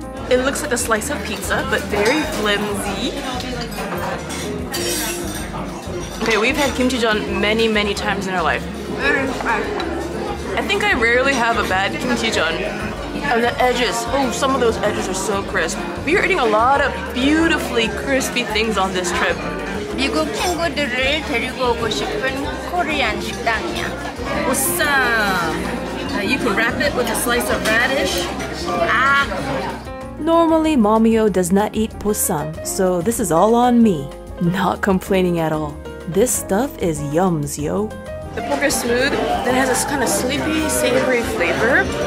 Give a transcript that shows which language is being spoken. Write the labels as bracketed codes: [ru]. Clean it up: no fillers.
[en] It looks like a slice of pizza, but very flimsy. Okay, we've had kimchijeon many, many times in our life. I think I rarely have a bad kimchijeon. And the edges, oh, some of those edges are so crisp. We are eating a lot of beautifully crispy things on this trip. [ko] 미국 친구들을 데리고 오고 싶은 코리안 식당이야. 오쌈! [en] You can wrap it with a slice of radish. Normally, Mommy-O does not eat bossam, so this is all on me. Not complaining at all. This stuff is yums, yo. The pork is smooth, then it has this kind of sleepy, savory flavor.